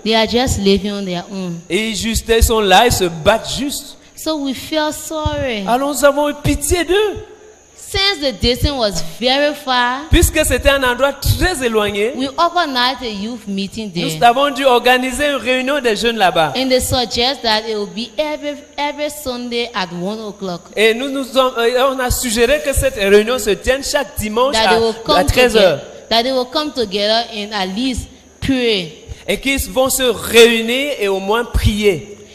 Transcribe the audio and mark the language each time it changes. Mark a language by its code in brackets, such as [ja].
[en] They are just living on their own. [fr] Et juste, ils sont là, ils se battent juste. [en] So we felt sorry. [fr] Alors nous avons eu pitié d'eux. [en] Since the distance was very far, [fr] puisque c'était un endroit très éloigné, [en] we organized a youth meeting there. [fr] Nous avons dû organiser une réunion des jeunes là-bas. [en] And they suggest that it will be every Sunday at 1 o'clock. [fr] Et on a suggéré que cette réunion se tienne chaque dimanche à 13h. [en] That they will come together and at least pray. [fr] Et qu'ils vont se réunir et au moins prier.